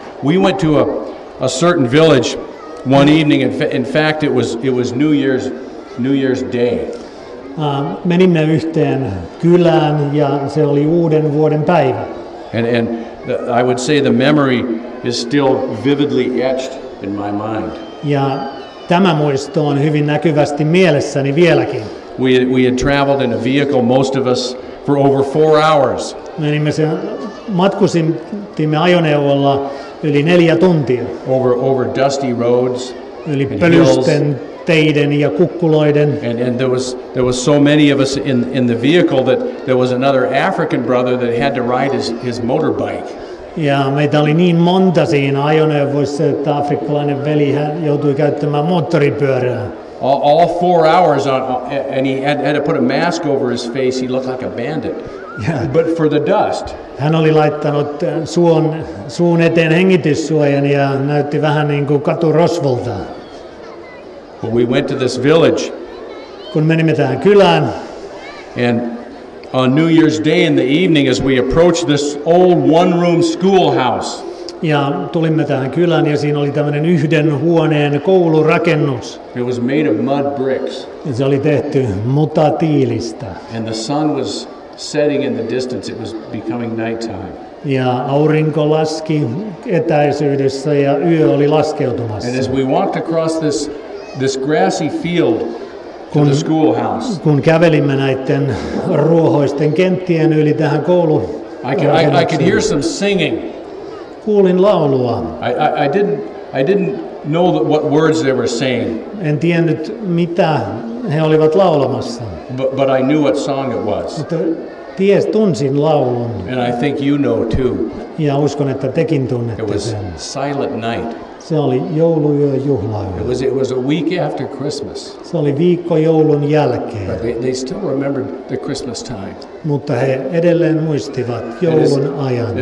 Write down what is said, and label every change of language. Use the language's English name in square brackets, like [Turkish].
[English] We went to a certain village one evening. In fact, it was New Year's Day. [Finnish] Menimme yhteen kylään ja se oli uuden vuoden päivä. [English] And I would say the memory is still vividly etched in my mind. [Finnish] Ja tämä muisto on hyvin näkyvästi mielessäni vieläkin. [English] We had traveled in a vehicle, most of us, for over 4 hours. [Finnish] Matkustimme ajoneuvolla yli 4 tuntia. [English] Over dusty roads. [Finnish] Yli pölyisten teiden ja kukkuloiden. [English] And there was so many of us in the vehicle that there was another African brother that had to ride his motorbike. [Finnish] Ja meitä oli niin monta siinä ajoneuvossa, että afrikkalainen veli joutui käyttämään moottoripyörää. [English] All 4 hours on, and he had to put a mask over his face. He looked like a bandit. Yeah. But for the dust. [Finnish] Hän oli laittanut suun eteen hengityssuojan ja näytti vähän niin kuin katurosvolta. [English] But we went to this village. [Finnish] Kun menimme tähän kylään. [English] And on New Year's Day in the evening, as we approached this old one-room schoolhouse. [Finnish] Ja tulimme tähän kylään ja siinä oli tämmöinen yhden huoneen koulurakennus. [English] It was made of mud bricks. [Finnish] Se oli tehty mutatiilistä. [English] And the sun was setting in the distance. It was becoming nighttime. [Finnish] Ja aurinko laski etäisyydessä ja yö oli laskeutumassa. [English] And as we walked across this grassy field to the schoolhouse. [Finnish] Kun kävelimme näiden ruohoisten kenttien yli tähän koulurakennukseen. [English] I could hear some singing. [Finnish] Kuulin laulua. [English] I didn't know what words they were saying. [Finnish] En tiennyt, mitä he olivat laulamassa. [English] But I knew what song it was. [Finnish] Tunsin laulun. [English] And I think you know too. [Finnish] Ja uskon, että tekin tunnette sen. [English] It was [Finnish] sen. [English] Silent Night. [Finnish] Se oli jouluyö juhlayö. [English] It was a week after Christmas. [Finnish] Se oli viikko joulun jälkeen. [English] But they still remembered the Christmas time. [Finnish] Mutta he edelleen muistivat joulun ajan.